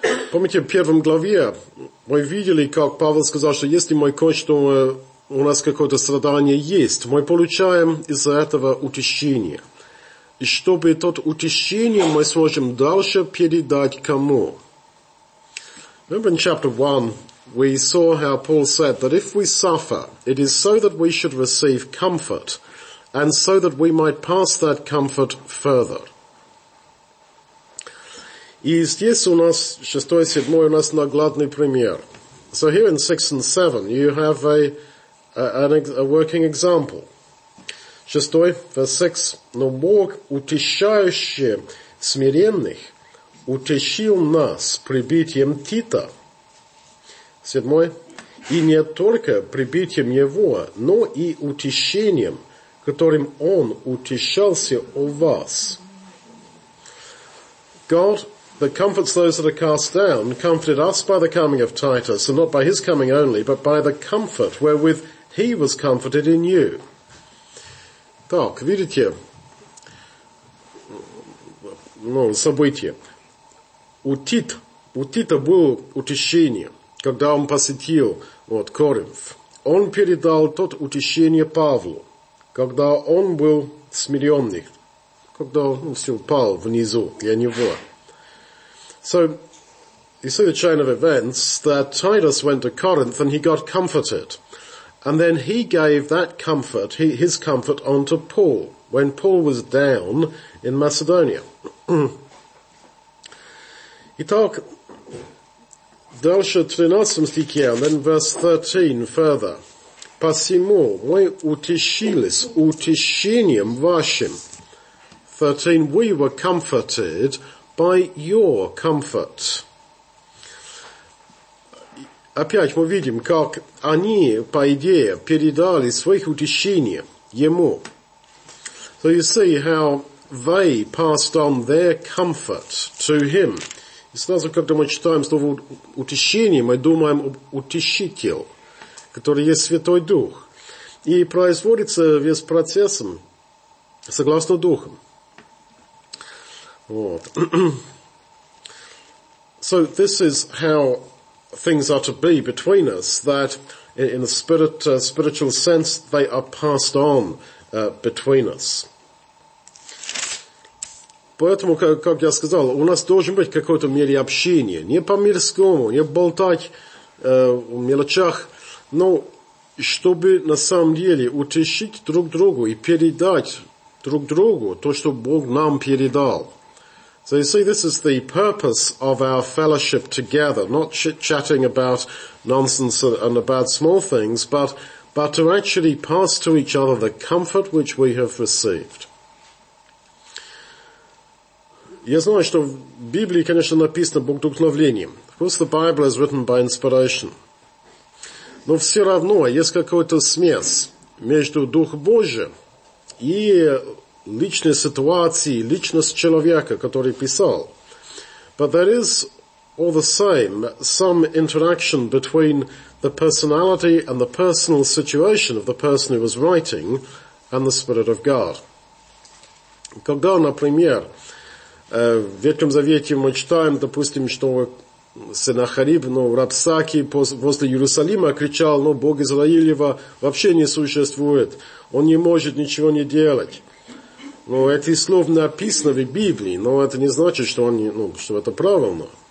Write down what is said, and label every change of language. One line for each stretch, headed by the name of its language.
Russian: Помните, в первом главе мы видели, как Павел сказал, что если мы кое-что, у нас какое-то страдание есть, мы получаем из-за этого утешение. И чтобы это утешение мы сможем дальше передать кому?
English: Remember in chapter 1, we saw how Paul said that if we suffer, it is so that we should receive comfort, and so that we might pass that comfort further.
Russian: И здесь у нас, 6 и 7, у нас наглядный пример.
English: So here in 6 and 7, you have a working example. 6, verse 6.
Russian: Но Бог, утешающий смиренных, утешил нас прибитием Тита. 7. И не только прибитием его, но и утешением, которым он утешался у вас.
English: God that comforts those that are cast down, comforted us by the coming of Titus, and not by his coming only, but by the comfort wherewith he was comforted in you.
Russian: Так, видите, ну, событие. У Тита было утешение, когда он посетил вот, Коринф. Он передал тот утешение Павлу, когда он был смиренный, когда он все упал внизу для него.
English: So, you see the chain of events that Titus went to Corinth and he got comforted. And then he gave that comfort, his comfort, on to Paul, when Paul was down in Macedonia.
Russian: Итак, дальше 13 стихе,
English: and then verse 13 further.
Russian: Посему мы утешились утешением вашим.
English: 13, we were comforted by your comfort.
Russian: Опять мы видим, как они, по идее, передали своих утешения ему.
English: So you see how they passed on their comfort to him.
Russian: И сразу, когда мы читаем слово «утешение», мы думаем об утешителе, который есть Святой Дух. И производится весь процесс согласно Духу. Вот.
English: So this is how things are to be between us, that in a spiritual sense, they are passed on between us.
Russian: Поэтому, как я сказал, у нас должен быть какой-то мере общения. Не по-мирскому, не болтать в мелочах, но чтобы на самом деле утешить друг другу и передать друг другу то, что Бог нам передал.
English: So you see, this is the purpose of our fellowship together, not chit-chatting about nonsense and about small things, but to actually pass to each other the comfort which we have received.
Russian: Я знаю, что в Библии, конечно, написано Бог вдохновлением.
English: Of course, the Bible is written by inspiration.
Russian: Но все равно есть какая-то смесь между Дух Божий и личной ситуации, личность человека, который писал.
English: But there is, all the same, some interaction between the personality and the personal situation of the person who was writing and the Spirit of God.
Russian: Когда, например, в Ветхом Завете мы читаем, допустим, что Сеннахериб, ну, Рабсаки возле Иерусалима кричал, ну, Бог Израилева вообще не существует, он не может ничего не делать. Ну, эти слова написаны в Библии, но это не значит, что, он, ну, что это правильно.